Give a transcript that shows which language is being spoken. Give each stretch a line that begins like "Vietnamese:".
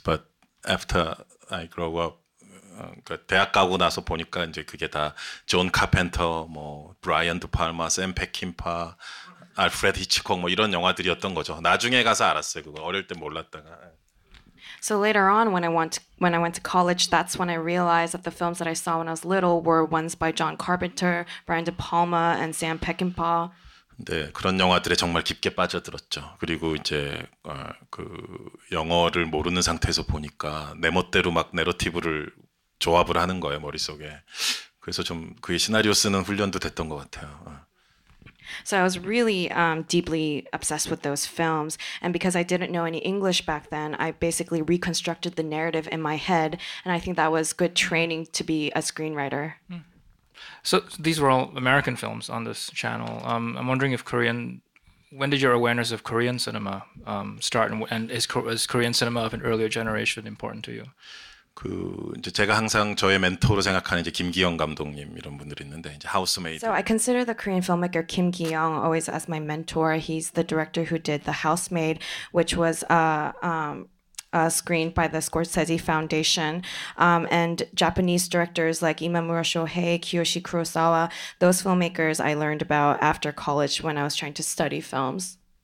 English: But after I grew up,
Korean: 대학 가고 나서 보니까 이제 그게 다 존 카펜터, 뭐 브라이언 드 팔마, 샘 페킨파, 알프레드 히치콕 뭐 이런 영화들이었던 거죠. 나중에 가서 알았어요. 그거 어릴 때 몰랐다가.
English: So later on, when I went to college, that's when I realized that the films that I saw when I was little were ones by John Carpenter, Brian De Palma, and Sam Peckinpah.
Korean: 네, 그런 영화들에 정말 깊게 빠져들었죠. 그리고 이제 그 영어를 모르는 상태에서 보니까 내 멋대로 막 내러티브를 조합을 하는 거예요 머릿속에. 그래서 좀 그의 시나리오 쓰는 훈련도 됐던 것 같아요.
English: So I was really deeply obsessed with those films. And because I didn't know any English back then, I basically reconstructed the narrative in my head. And I think that was good training to be a screenwriter. So these were all American films on this channel. I'm wondering if Korean, when did your awareness of Korean cinema start? And is Korean cinema of an earlier generation important to you?
Korean: 그 이제 제가 항상 저의 멘토로 생각하는 이제 김기영 감독님 이런 분들이 있는데 이제 하우스메이드.
English: So I consider the Korean filmmaker Kim Ki-young always as my mentor. He's the director who did The Housemaid, which was screened by the Scorsese Foundation. And Japanese directors like Imamura Shohei, Kiyoshi Kurosawa, those filmmakers I learned about after college when I was trying to study films.